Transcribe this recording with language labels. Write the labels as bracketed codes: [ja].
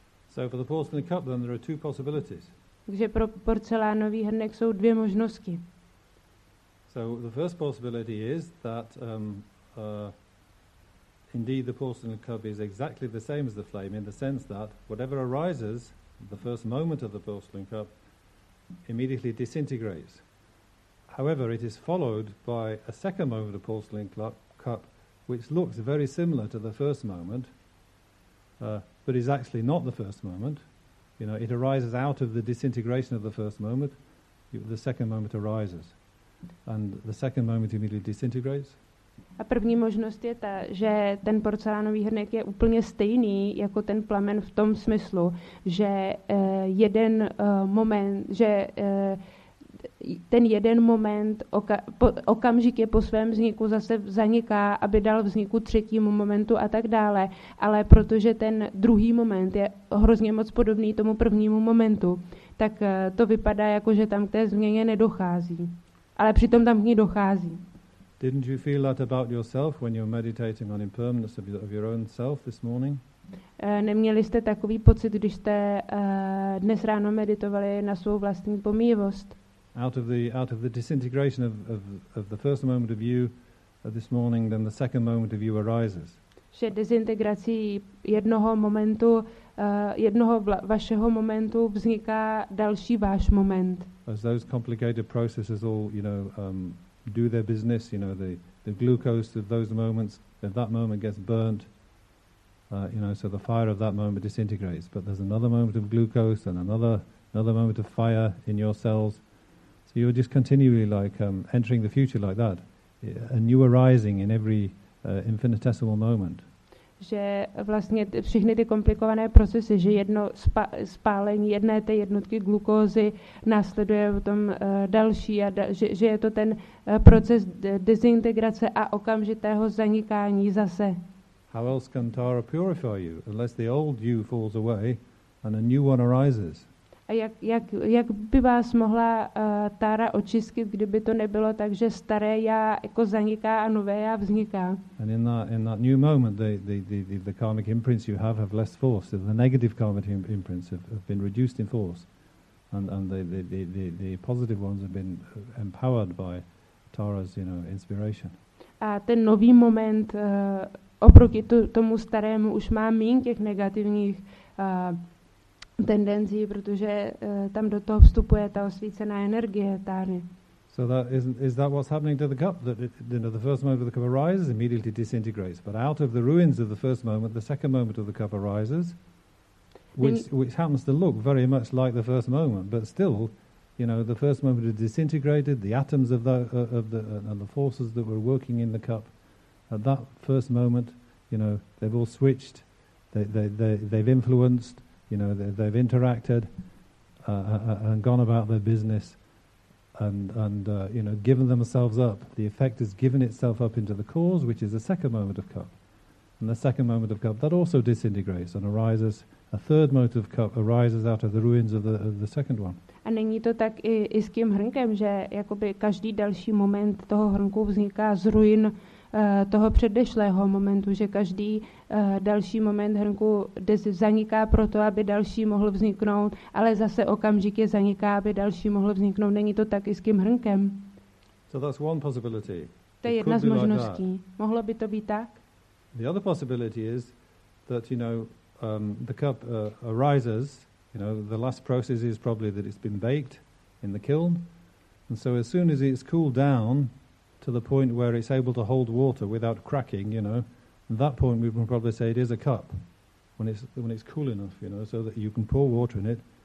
[en] So for the porcelain cup, then there are two possibilities. [cs] Takže pro porcelánový hrnek jsou dvě možnosti. [en] So the first possibility is that indeed the porcelain cup is exactly the same as the flame in the sense that whatever arises the first moment of the porcelain cup immediately disintegrates. However, it is followed by a second moment of porcelain cup which looks very similar to the first moment but is actually not the first moment. You know, it arises out of the disintegration of the first moment. The second moment arises. And the second moment immediately disintegrates. [cs] A první možnost je ta, že ten porcelánový hrnek je úplně stejný jako ten plamen v tom smyslu, že jeden moment, že ten jeden moment okamžik je po svém vzniku zase zaniká, aby dal vzniku třetímu momentu a tak dále. Ale protože ten druhý moment je hrozně moc podobný tomu prvnímu momentu, tak to vypadá jako, že tam k té změně nedochází. Ale přitom tam k ní dochází. [en] Didn't you feel that about yourself when you were meditating on impermanence of your own self this morning? [cs] Neměli jste takový pocit, když jste dnes ráno meditovali na svou vlastní pomíjivost? [en] Out of the disintegration of the first moment of you this morning, then the second moment of you arises. [cs] Že dezintegrací jednoho momentu jednoho vašeho momentu vzniká další váš moment. [en] As those complicated processes all, you know, do their business, you know, the glucose of those moments, if that moment gets burnt, you know, so the fire of that moment disintegrates. But there's another moment of glucose and another moment of fire in your cells. So you're just continually like entering the future like that. A new arising in every infinitesimal moment. [cs] Že vlastně všechny ty komplikované procesy, že jedno spálení jedné té jednotky glukózy následuje potom další, a že je to ten proces dezintegrace a okamžitého zanikání zase. [en] How else can Tara purify you unless the old you falls away and a new one arises? [cs] A jak by vás mohla Tara očistit, kdyby to nebylo tak, že staré já jako zaniká a nové já vzniká? [en] And in that new moment, the karmic imprints you have less force. The negative karmic imprints have been reduced in force, and the positive ones have been empowered by Tara's, you know, inspiration. [cs] A ten nový moment oproti tomu starému už má méně těch negativních tendencí, protože tam do toho vstupuje ta osvícená energie Táry. [en] So that is that what's happening to the cup, that it, you know, the first moment of the cup arises, immediately disintegrates, but out of the ruins of the first moment, the second moment of the cup arises, which happens to look very much like the first moment, but still, you know, the first moment is disintegrated, the atoms of the forces that were working in the cup at that first moment, you know, they've all switched, they've influenced, you know, they've interacted and gone about their business and you know, given themselves up. The effect has given itself up into the cause, which is the second moment of cup. And the second moment of cup, that also disintegrates and arises. A third moment of cup arises out of the ruins of the second one. [cs] A není to tak i s tím hrnkem, že jakoby každý další moment toho hrnku vzniká z ruin toho předešlého momentu, že každý další moment hrnku zaniká proto, aby další mohl vzniknout, ale zase okamžitě zaniká, aby další mohl vzniknout. Není to tak i s tím hrnkem. [en] So that's one possibility. [cs] To je jedna z možností. [en] Like, [cs] mohlo by to být tak? [en] The other possibility is that, you know, the cup arises, you know, the last process is probably that it's been baked in the kiln, and so as soon as it's cooled down to the point where it's able to hold water without cracking, you know, at that point we can probably say it is a cup when it's cool enough, you know, so that you can pour water in it.